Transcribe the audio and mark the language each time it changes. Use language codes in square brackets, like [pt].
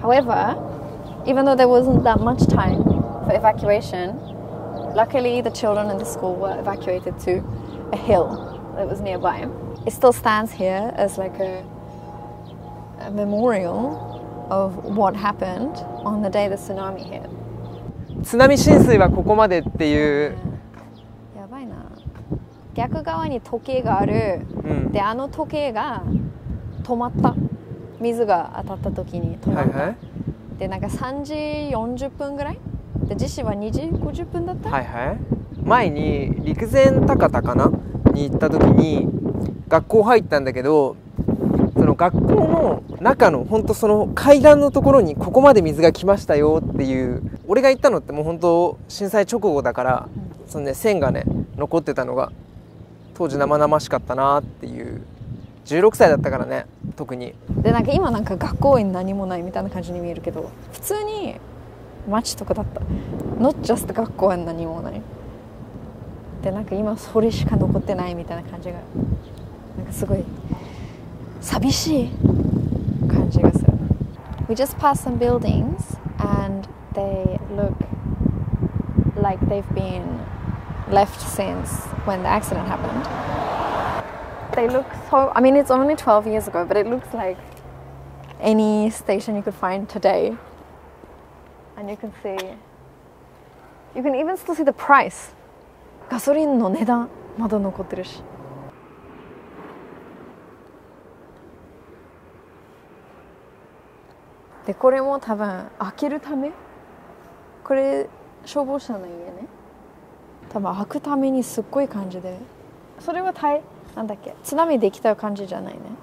[en] However, even though there wasn't that much time for evacuation, luckily the children in the school were evacuated to a hill that was nearby. It still stands here as like a memorial of what happened on the day the tsunami hit. [ja] 津波浸水はここまでっていう。やばいな。逆側に時計がある。うん、で、あの時計が止まった。水が当たった時に止まった。はいはい、で、なんか3時40分ぐらい。で、地震は2時50分だった。はいはい。前に陸前高田かなに行った時に。学校入ったんだけど、その学校の中の本当その階段のところにここまで水が来ましたよっていう。俺が行ったのってもう本当震災直後だから、うん、そのね、線がね残ってたのが当時生々しかったなっていう。 16歳だったからね、特に。で、なんか今なんか学校に何もないみたいな感じに見えるけど、普通に街とかだった。 [en] Not just [ja] 学校は何もない。で、なんか今それしか残ってないみたいな感じが、すごい寂しい感じがする。 [en] We just passed some buildings and they look like they've been left since when the accident happened. They look so, I mean, it's only 12 years ago, but it looks like any station you could find today. And you can see, you can even still see the price. [ja] ガソリンの値段まだ残ってるし。で、これも多分開けるため、これ消防車の家ね、多分開くためにすっごい感じで、それは台なんだっけ、津波できた感じじゃないね。